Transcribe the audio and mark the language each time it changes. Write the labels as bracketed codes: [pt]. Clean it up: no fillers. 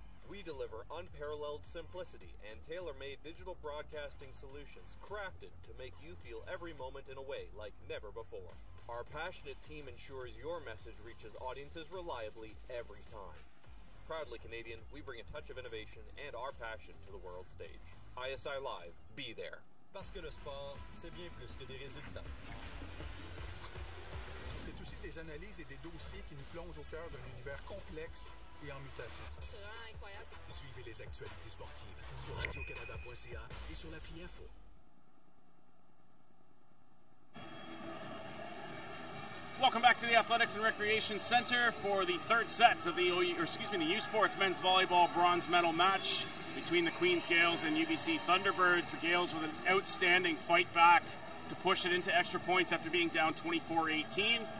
[en] We deliver unparalleled simplicity and tailor-made digital broadcasting solutions crafted to make you feel every moment in a way like never before. Our passionate team ensures your message reaches audiences reliably every time. Proudly Canadian, we bring a touch of innovation and our passion to the world stage. ISI Live, be there. [fr] Parce que le sport, c'est bien plus que des résultats. C'est aussi des analyses et des dossiers qui nous plongent au cœur d'un univers complexe et en mutation. C'est vraiment incroyable. Suivez les actualités sportives sur radiocanada.ca et sur l'appli Info. [en] Welcome back to the Athletics and Recreation Center for the third set of the U Sports Men's Volleyball Bronze Medal match between the Queens Gales and UBC Thunderbirds. The Gales with an outstanding fight back to push it into extra points after being down 24-18.